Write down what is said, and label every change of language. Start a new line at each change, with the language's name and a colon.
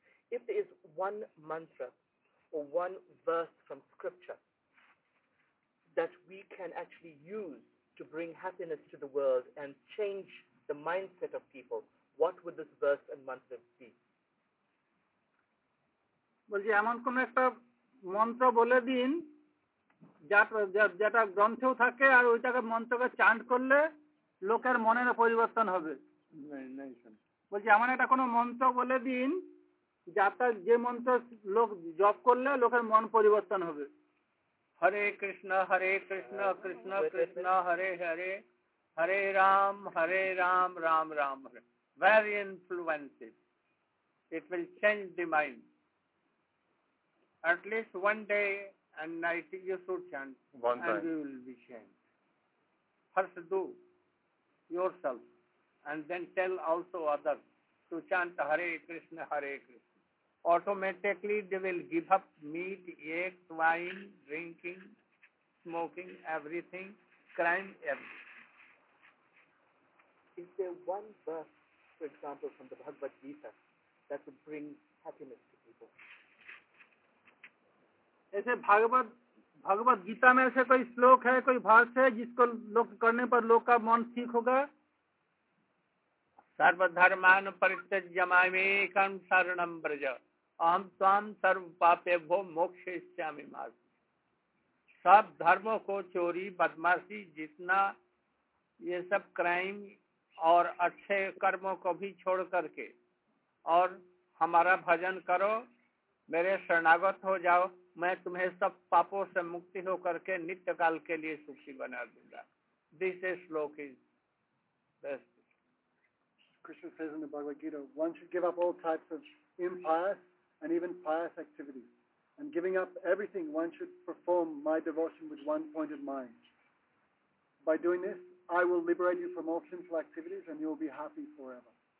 English: If there is one mantra or one verse from scripture that we can actually use to bring happiness to the world and change the mindset of people, what would this verse and mantra be?
Bangla: বলছি এমন কোন একটা মন্ত্র বলে দিন যেটা গ্রন্থেও থাকে আর ওইটাকে মন্ত্রকে চান্ট করলে লোকের মনের পরিবর্তন হবে বলছি এমন একটা কোন মন্ত্র বলে দিন যে মন্ত্র লোক জপ করলে লোকের মন পরিবর্তন হবে
Sanskrit: হরে Krishna Krishna Krishna Hare Hare Hare Ram Ram
English: Ram very influencive it will change the mind at least one day and night you should chant and you will be change first do yourself and then tell also other to chant Hare Krishna Automatically, they will give up meat, eggs, wine, drinking, smoking, everything, crime, everything. Is there one verse, for example, from the Bhagavad Gita that would bring happiness to people?
Hindi: ऐसे भागवत गीता में ऐसे कोई श्लोक है कोई भाष है जिसको लोग करने पर लोग का मन ठीक होगा
Sanskrit: सर्वधर्मान परित्यज्य मामेकं शरणं व्रज अहम स्वाम सर्व पापेभ्यो मोक्षयिष्यामि
Hindi: मार्ग सब धर्मों को चोरी बदमाशी जितना ये सब क्राइम और अच्छे कर्मों को भी छोड़ करके और हमारा भजन करो मेरे शरणागत हो जाओ मैं तुम्हें सब पापों से मुक्ति हो करके नित्य काल के लिए सुखी बना दूंगा
English: This shloka is best Krishna says in the Bhagavad Gita one should give up all types of empires and even pious activities, and giving up everything, one should perform my devotion with one point of mind. By doing this, I will liberate you from all sinful activities, and you will be happy forever.